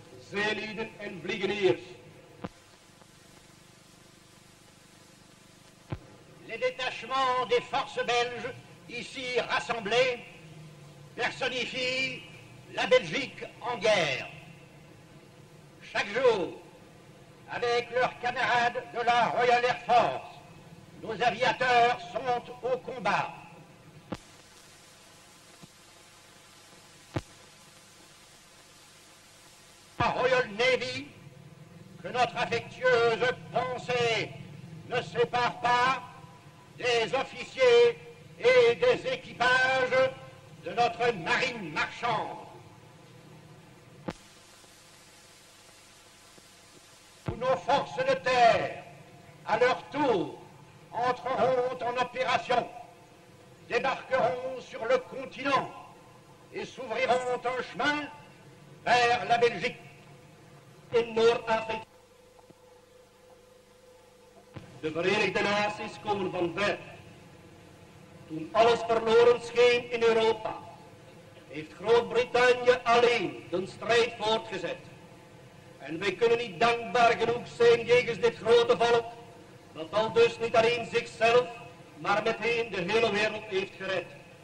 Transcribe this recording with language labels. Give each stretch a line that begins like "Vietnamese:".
Dutch: zeelieden en vliegeniers.
French: Les détachements des forces belges, ici rassemblés, personnifient la Belgique en guerre. Chaque jour, avec leurs camarades de la Royal Air Force, nos aviateurs sont au combat. La Royal Navy, que notre affectueuse pensée ne sépare pas des officiers et des équipages de notre marine marchande. Nos forces de terre, à leur tour, entreront en opération, débarqueront sur le continent et s'ouvriront un chemin vers la Belgique et Nord-Afrique.
Dutch: De Verenigde Naties komen van ver. Toen alles verloren scheen in Europa, heeft Groot-Brittannië alleen de strijd voortgezet. En wij kunnen niet dankbaar genoeg zijn jegens dit grote volk, dat al dus niet alleen zichzelf, maar meteen de hele wereld heeft gered.